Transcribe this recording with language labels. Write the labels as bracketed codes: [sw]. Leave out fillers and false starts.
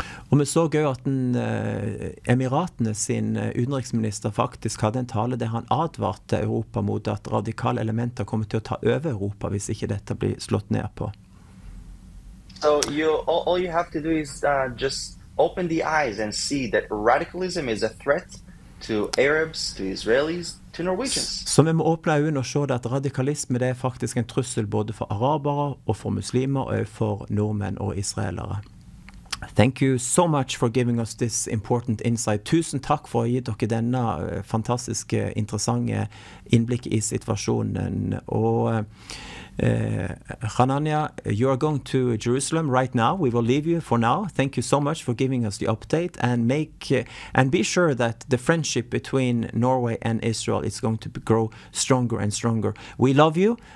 [no] Og vi så jo at Emiratene sin utenriksminister faktisk hadde en tale der han advarte Europa mot at radikale elementer kommer til å ta over Europa hvis ikke dette blir slått ned på. [en] So all you have to do is just open the eyes and see that radicalism is a threat to Arabs, to Israelis, to Norwegians. [no] Så vi må åpne øynene og se at radikalisme er faktisk en trussel både for arabere og for muslimer og for nordmenn og israelere. [en] Thank you so much for giving us this important insight. [no] Tusen takk for å gi dere denne fantastiske, interessante innblikk i situasjonen. [en] Og Hananya, you are going to Jerusalem right now. We will leave you for now. Thank you so much for giving us the update. And be sure that the friendship between Norway and Israel is going to grow stronger and stronger. We love you.